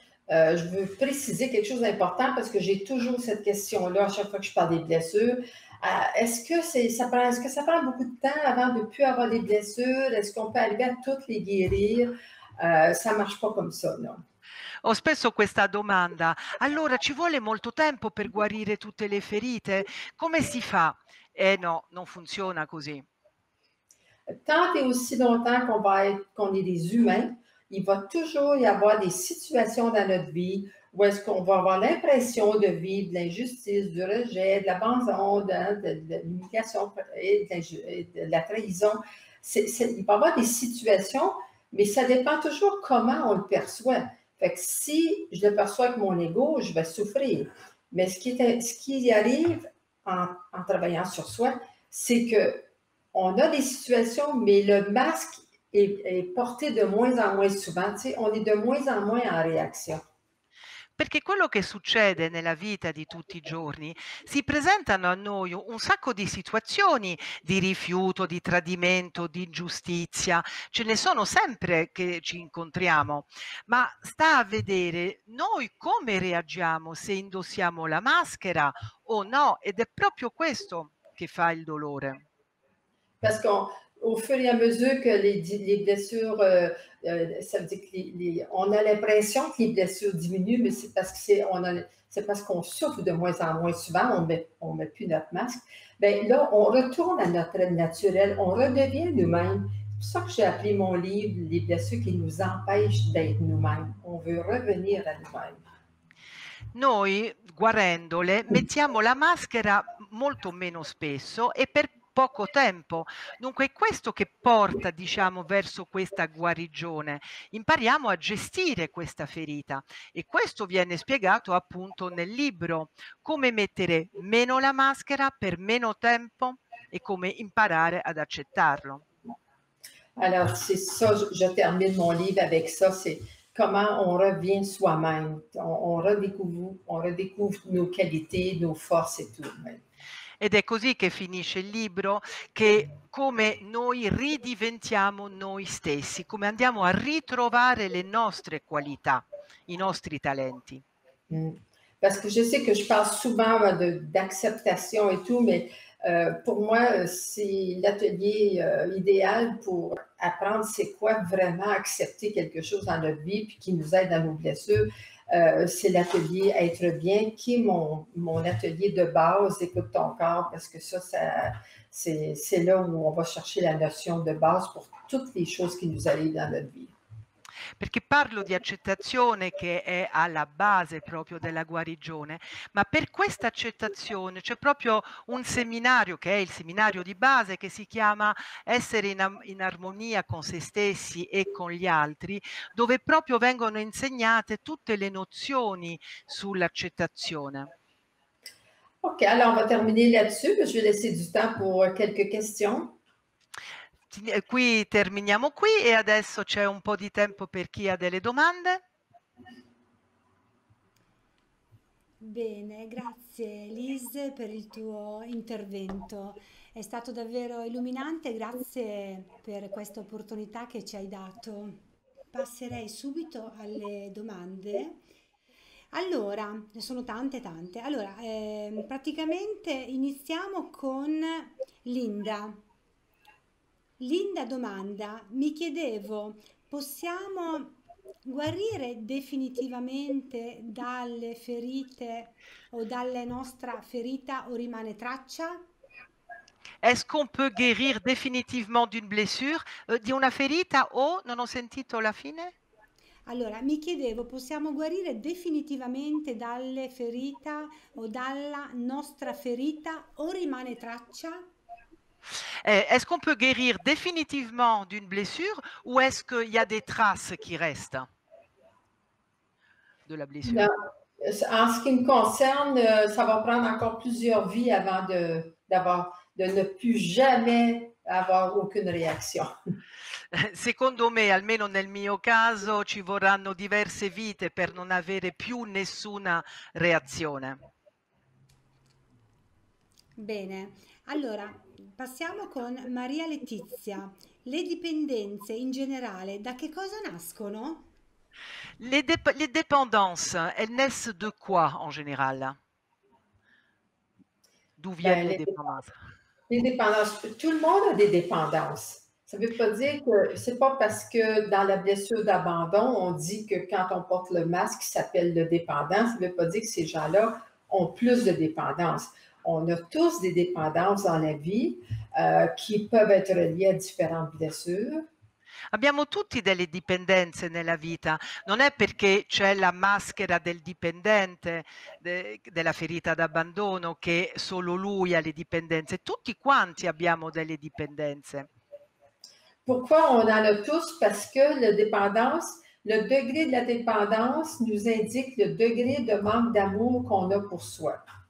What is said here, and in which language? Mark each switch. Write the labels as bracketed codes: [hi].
[fr] Je veux préciser quelque chose d'important parce que j'ai toujours cette question-là à chaque fois que je parle des blessures. Est-ce que ça prend beaucoup de temps avant de ne plus avoir des blessures? Est-ce qu'on peut arriver à toutes les guérir? Ça ne marche pas comme ça, non? [it] Ho spesso questa domanda. Allora, ci vuole molto tempo per guarire tutte le ferite? Come si fa? No, non funziona così. [fr] Tant et aussi longtemps qu'on est des humains, il va toujours y avoir des situations dans notre vie où est-ce qu'on va avoir l'impression de vivre de l'injustice, du rejet, de l'abandon, de l'humiliation et de la trahison. Il va y avoir des situations, mais ça dépend toujours comment on le perçoit. Fait que si je le perçois avec mon ego, je vais souffrir. Mais ce qui arrive en travaillant sur soi, c'est que on a des situations, mais le masque est porté de moins en moins souvent. Tu sais, on est de moins en moins en réaction. [it] Perché quello che succede nella vita di tutti i giorni, si presentano a noi un sacco di situazioni di rifiuto, di tradimento, di ingiustizia, ce ne sono sempre che ci incontriamo, ma sta a vedere noi come reagiamo, se indossiamo la maschera o no, ed è proprio questo che fa il dolore. [fr] Parce qu'on, au fur et à mesure que les blessures, ça veut dire qu'on a l'impression que les blessures diminuent, mais c'est parce qu'on souffre de moins en moins souvent, on met plus notre masque. Bien là, on retourne à notre être naturel, on redevient nous-mêmes. C'est pour ça que j'ai appelé mon livre « Les blessures qui nous empêchent d'être nous-mêmes ». On veut revenir à nous-mêmes. [it] Noi, guarendole, mettiamo la maschera molto meno spesso e per poco tempo. Dunque è questo che porta, diciamo, verso questa guarigione. Impariamo a gestire questa ferita e questo viene spiegato appunto nel libro, come mettere meno la maschera per meno tempo e come imparare ad accettarlo. [fr] Allora, c'est ça, je termine mon livre avec ça, c'est comment on revient soi-même, on redécouvre nos qualités, nos forces et tout. [it] Ed è così che finisce il libro, che come noi ridiventiamo noi stessi, come andiamo a ritrovare le nostre qualità, i nostri talenti. [fr] Parce que je sais que je parle souvent d'acceptation et tout, mais pour moi, c'est l'atelier idéal pour apprendre c'est quoi vraiment accepter quelque chose dans notre vie puis qui nous aide dans nos blessures. C'est l'atelier Être bien qui est mon atelier de base, écoute ton corps, parce que ça c'est là où on va chercher la notion de base pour toutes les choses qui nous arrivent dans notre vie. [it] Perché parlo di accettazione che è alla base proprio della guarigione, ma per questa accettazione c'è proprio un seminario che è il seminario di base che si chiama Essere in armonia con se stessi e con gli altri, dove proprio vengono insegnate tutte le nozioni sull'accettazione. [fr] Ok, allora on va terminer là-dessus, je vais laisser du temps pour quelques questions. [it] Qui terminiamo qui e adesso c'è un po' di tempo per chi ha delle domande. Bene, grazie Liz per il tuo intervento. È stato davvero illuminante, grazie per questa opportunità che ci hai dato. Passerei subito alle domande. Allora, ne sono tante. Allora, praticamente iniziamo con Linda. Linda domanda, mi chiedevo, possiamo guarire definitivamente dalle ferite o dalla nostra ferita o rimane traccia? [fr] Est-ce qu'on peut guérir définitivement d'une blessure, [it] di una ferita o, non ho sentito la fine? Allora, mi chiedevo, possiamo guarire definitivamente dalle ferite o dalla nostra ferita o rimane traccia? [fr] Est-ce qu'on peut guérir définitivement d'une blessure ou est-ce qu'il y a des traces qui restent de la blessure? Non. En ce qui me concerne, ça va prendre encore plusieurs vies avant de ne plus jamais avoir aucune réaction. [it] Secondo me, almeno nel mio caso, ci vorranno diverse vite per non avere più nessuna reazione. Bene, allora passiamo con Maria Letizia. Le dipendenze in generale da che cosa nascono? [fr] Les dépendances, elles naissent de quoi en général? D'où viennent les dépendances? Les dépendances, tout le monde a des dépendances. Ça ne veut pas dire que, c'est pas parce que dans la blessure d'abandon, on dit que quand on porte le masque, il s'appelle le dépendant, ça ne veut pas dire que ces gens-là ont plus de dépendances. On a tous des dépendances dans la vie qui peuvent être liées à différentes blessures. [it] Abbiamo tutti delle dipendenze nella vita, non è perché c'è la maschera del dipendente, della ferita d'abbandono, che solo lui ha le dipendenze, tutti quanti abbiamo delle dipendenze. [fr] Pourquoi on en a tous? Parce que la dépendance, le degré de la dépendance nous indique le degré de manque d'amour qu'on a pour soi.